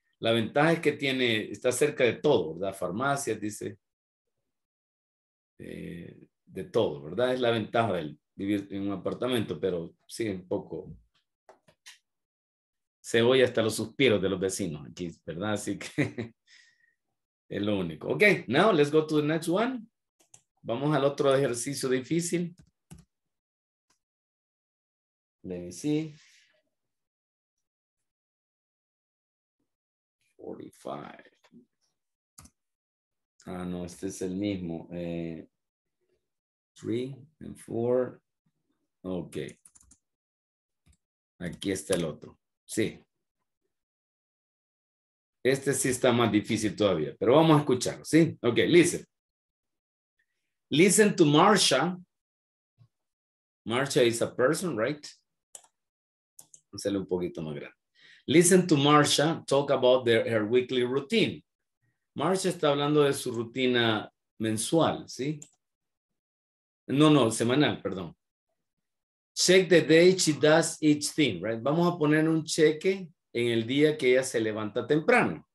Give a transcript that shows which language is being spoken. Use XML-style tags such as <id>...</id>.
<es>La ventaja es que tiene, está cerca de todo, ¿verdad? Farmacias, dice. De todo, ¿verdad? Es la ventaja del vivir en un apartamento, pero sí, un poco. Se oye hasta los suspiros de los vecinos aquí, ¿verdad? Así que es lo único.</es> <en>Ok, now let's go to the next one.</en> <es>Vamos al otro ejercicio difícil.</es> <en>Let me see. 45.</en> <es>Ah, no, este es el mismo.</es> <en>3 and 4.</en> <es>Ok. Aquí está el otro. Sí. Este sí está más difícil todavía, pero vamos a escucharlo, ¿sí?</es> <en>Ok, listen. Listen to Marsha. Marsha is a person, right?</en> <es>Hacerle un poquito más grande.</es> <en>Listen to Marsha talk about her weekly routine.</en> <es>Marsha está hablando de su rutina mensual, ¿sí? No, semanal, perdón.</es> <en>Check the day she does each thing, right?</en> <es>Vamos a poner un cheque en el día que ella se levanta temprano.</es>